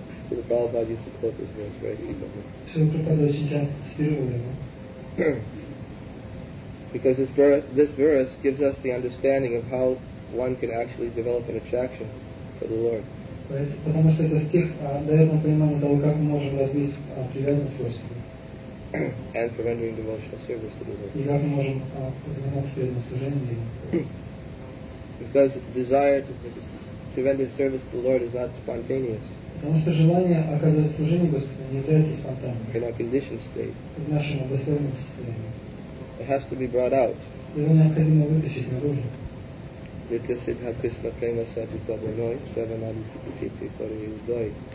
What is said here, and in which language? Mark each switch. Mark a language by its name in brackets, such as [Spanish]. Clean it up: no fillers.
[English] So the Prabhupada used to quote this verse very frequently. Because this verse gives us the understanding of how one can actually develop an attraction for the Lord. [Russian] Потому что этот стих дает нам понимание того, как мы можем развить приверженность Господу. [English] And for rendering devotional service to the Lord. [Russian] И как мы можем заниматься преданным служением. [English] Because the desire to render service to the Lord is not spontaneous. [Russian] Потому что желание оказывать служение Господу не является спонтанным. [English] In our conditioned state. [Russian] В нашем обусловленном состоянии. [English] It has to be brought out. [Russian] его необходимо вытащить наружу. Это Сидха Кришна Према Сатипаба Ной, Шраванади Сипатипи Кори Удой.